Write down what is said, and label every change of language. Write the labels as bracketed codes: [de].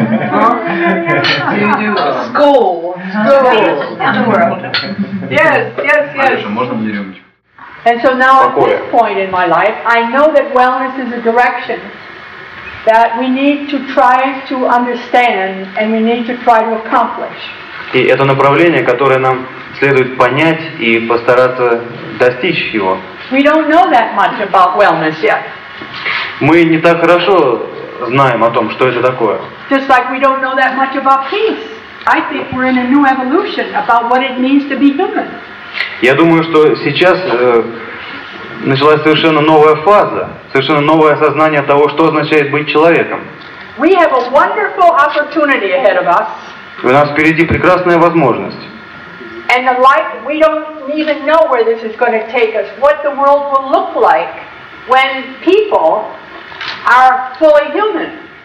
[en] Skull. Skull. In the world. Yes. And so now at this point in my life, I know that wellness is a direction that we need to try to understand and we need to try to accomplish. [ru] И это направление, которое нам следует понять и постараться достичь его. [en] We don't know that much about wellness yet. [ru] Мы не так хорошо знаем о том, что это такое. [en] Just like we don't know that much about peace. I think we're in a new evolution about what it means to be human. [ru] Я думаю, что сейчас началась совершенно новая фаза, совершенно новое осознание того, что означает быть человеком. [en] We have a wonderful opportunity ahead of us. [ru] У нас впереди прекрасная возможность. [en] And the life, we don't even know where this is going to take us, what the world will look like when people are fully human.